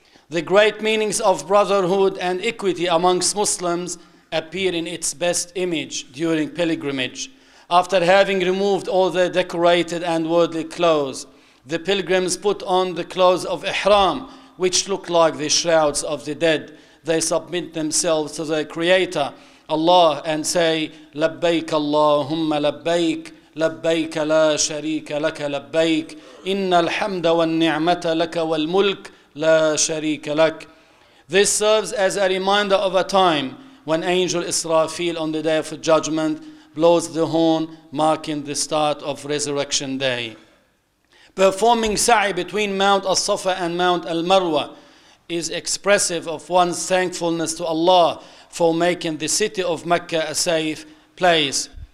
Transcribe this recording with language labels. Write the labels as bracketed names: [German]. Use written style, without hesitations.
[English] The great meanings of brotherhood and equity amongst Muslims appear in its best image during pilgrimage. After having removed all their decorated and worldly clothes, the pilgrims put on the clothes of Ihram, which look like the shrouds of the dead. They submit themselves to their Creator, Allah, and say, [Arabic] لبيك اللهم لبيك لبيك لا شريك لك [English] لبيك إن الحمد والنعمة لك والملك لا شريك لك. This serves as a reminder of a time when Angel Israfil on the Day of Judgment blows the horn, marking the start of Resurrection Day. Performing Sa'i between Mount As-Safa and Mount Al-Marwa is expressive of one's thankfulness to Allah for making the city of Mecca a safe place.